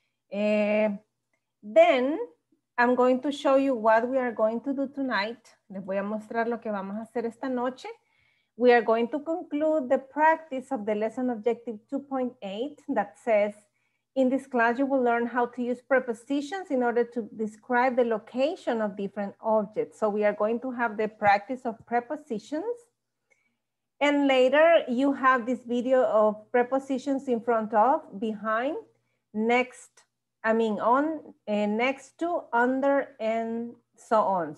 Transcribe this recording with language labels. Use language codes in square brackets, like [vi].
[en] Then, I'm going to show you what we are going to do tonight. [es] Les voy a mostrar lo que vamos a hacer esta noche. [en] We are going to conclude the practice of the lesson objective 2.8 that says, in this class, you will learn how to use prepositions in order to describe the location of different objects. So we are going to have the practice of prepositions. And later, you have this video of prepositions in front of, behind, next, I mean on, and next to, under, and so on.